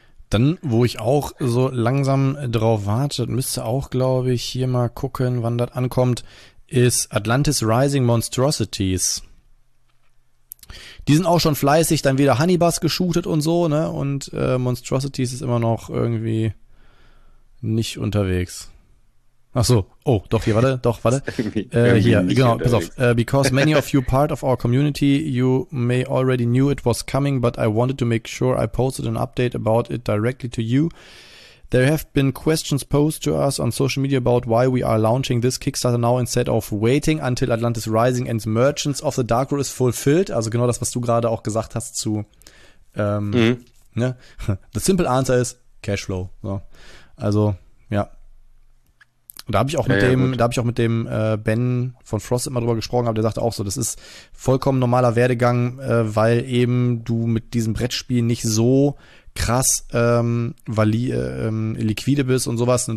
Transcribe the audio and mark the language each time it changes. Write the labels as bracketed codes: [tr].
[de] Dann, wo ich auch so langsam drauf warte, müsste auch, glaube ich, hier mal gucken, wann das ankommt, ist Atlantis Rising Monstrosities. Die sind auch schon fleißig dann wieder Honeybus geshootet und so, ne? Und Monstrosities ist immer noch irgendwie nicht unterwegs. Ach so. Oh, doch, hier, warte. Doch, warte. Hier, genau, unterwegs. Pass auf. [en] Because many of you part of our community, you may already knew it was coming, but I wanted to make sure I posted an update about it directly to you. There have been questions posed to us on social media about why we are launching this Kickstarter now instead of waiting until Atlantis Rising and Merchants of the Dark World is fulfilled. [de] Also genau das, was du gerade auch gesagt hast zu ne? [en] The simple answer is Cashflow. [de] So. Also, ja. Und da habe ich auch mit dem Ben von Frost immer drüber gesprochen, aber der sagte auch so, das ist vollkommen normaler Werdegang, weil eben du mit diesem Brettspiel nicht so krass liquide bist und sowas.